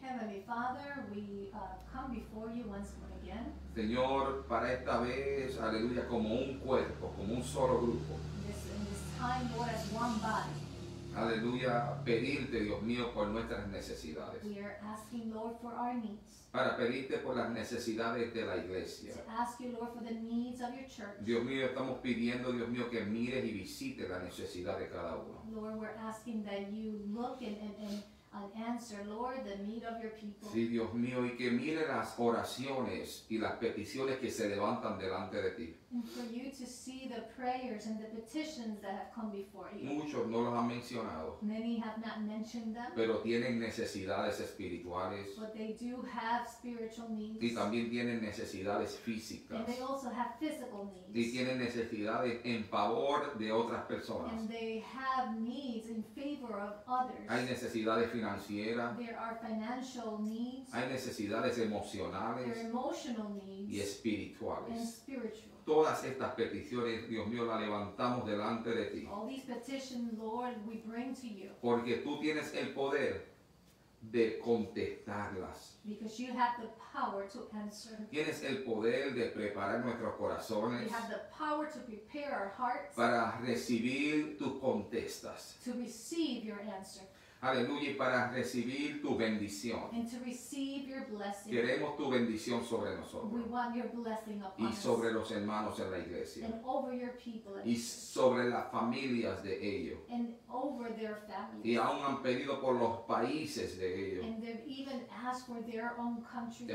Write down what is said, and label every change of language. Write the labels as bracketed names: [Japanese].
[English] Heavenly Father, we come before you once more again. [Spanish] Señor, para esta vez, aleluya, como un cuerpo, como un solo grupo. [English] In this time, Lord, as one body. [Spanish] Aleluya, pedirte, Dios mío, por nuestras necesidades. [English] We are asking, Lord, for our needs. [Spanish] Para pedirte por las necesidades de la iglesia. [English] To ask you, Lord, for the needs of your church. [Spanish] Dios mío, estamos pidiendo, Dios mío, que mires y visites la necesidad de cada uno. [English] Lord, we're asking that you look and answer, Lord, the need of your people. [Spanish] Sí, Dios mío, y que mire las oraciones y las peticiones que se levantan delante de ti. [English] And for you to see, see the prayers and the petitions that have come before you. [Spanish] Muchos no los han mencionado. [English] Many have not mentioned them. [Spanish] Pero tienen necesidades espirituales. [English] But they do have spiritual needs. [Spanish] Y también tienen necesidades físicas. [English] And they also have physical needs. [Spanish] Y tienen necesidades en favor de otras personas. [English] And they have needs in favor of others. [Spanish] Hay necesidades financieras. [English] There are financial needs. [Spanish] Hay necesidades emocionales. [English] There are emotional needs. [Spanish] Y espirituales. [English] And spiritual. [Spanish] Todas estas peticiones, Dios mío, las levantamos delante de ti. [English] All these petitions, Lord, we bring to you. [Spanish] Porque tú tienes el poder de contestarlas. [English] Because you have the power to answer. [Spanish] Tienes el poder de preparar nuestros corazones. [English] You have the power to prepare our hearts. [Spanish] Para recibir tus contestas. [English] To receive your answer. [Spanish] Aleluya, y para recibir tu bendición. [English] And to receive your blessing. [Spanish] Queremos tu bendición sobre nosotros. [English] We want your blessing upon [Spanish] y [English] us. [Spanish] Sobre los hermanos en la iglesia. [English] And over your people. [Spanish] Y sobre las familias de ellos. [English] And over their families. [Spanish] Y aún han pedido por los países de ellos. [English] And they've even asked for their own country.